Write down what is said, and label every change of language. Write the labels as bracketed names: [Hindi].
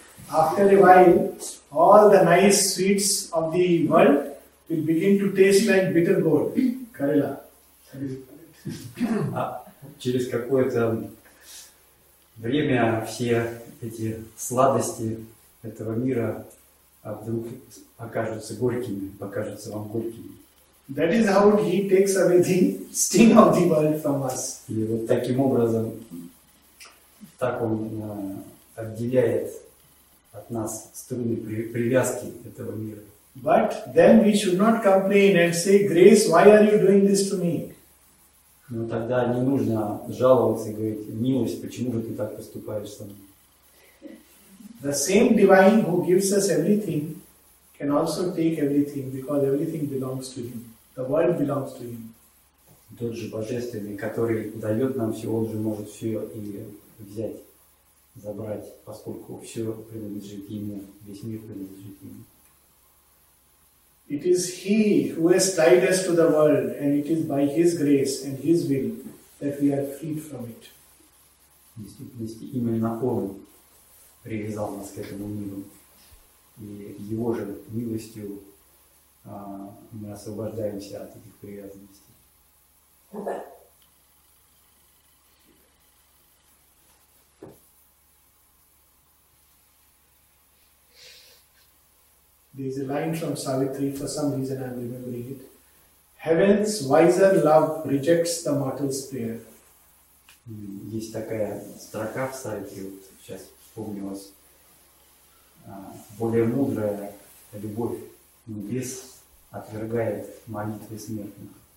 [English] After a while, all the nice sweets of the world will begin to taste like bitter gourd. [Hindi] Karela. [Russian] Через какое-то время все эти сладости этого мира вдруг окажутся горькими, покажутся вам горькими. [English] That is how he takes away the sting of the world from us. [Russian] И вот таким образом так он отделяет от нас струны привязки этого мира. [English] But then we should not complain and say, Grace, why are you doing this to me? [Russian] Но тогда не нужно жаловаться и говорить, милость, почему же ты так поступаешь со мной? [English] The same divine who gives us everything can also take everything, because everything belongs to him. The world belongs to him. [Russian] Тот же Божественный, который дает нам все, он же может все и взять, забрать, поскольку все принадлежит ему, весь мир принадлежит ему. [English] It is He who has tied us to the world, and it is by His grace and His will that we are freed from it. [Russian] В действительности именно Он привязал нас к этому миру, и Его же милостью мы освобождаемся от этих привязанностей. [English] There is a line from Savitri, for some reason I'm remembering it. Heaven's wiser love rejects the mortal's prayer. [Russian] Есть такая строка в Савитри, вот сейчас вспомнилась. Более мудрая любовь небес отвергает молитвы смертных.